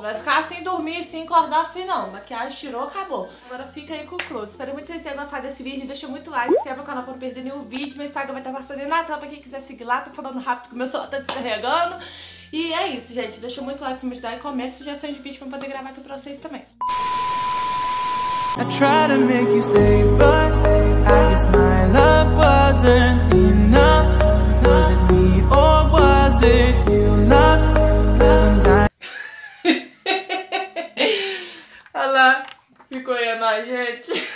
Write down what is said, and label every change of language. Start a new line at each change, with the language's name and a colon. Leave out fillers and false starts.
Portuguese: Vai ficar assim, dormir, assim, acordar assim, não. Maquiagem tirou, acabou. Agora fica aí com o close. Espero muito que vocês tenham gostado desse vídeo. Deixa muito like, se inscreve no canal pra não perder nenhum vídeo. Meu Instagram vai estar passando aí na tela pra quem quiser seguir lá. Tô falando rápido que meu celular tá descarregando. E é isso, gente. Deixa muito like pra me ajudar e comenta sugestão de vídeo pra poder gravar aqui pra vocês também.
English: I try to make you stay, but I guess my love wasn't enough. Was it me or was it you, love? Cause I'm dying.
Portuguese: Olha lá, ficou aí nós, gente.